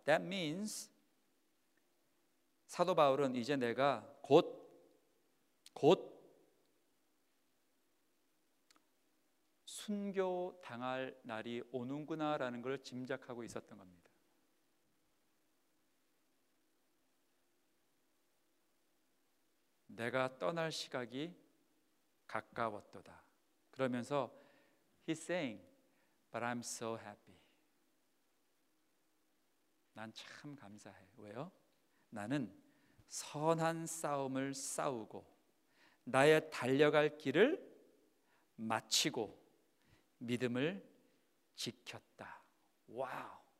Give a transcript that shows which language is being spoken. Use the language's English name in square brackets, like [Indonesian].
[English] That means [Korean] 사도 바울은 이제 내가 곧 순교 당할 날이 오는구나라는 걸 짐작하고 있었던 겁니다. 내가 떠날 시각이 가까웠도다. 그러면서 [English] he's saying, but I'm so happy. [Korean] 난 참 감사해. 왜요? 나는 선한 싸움을 싸우고 나의 달려갈 길을 마치고 믿음을 지켰다. 와우.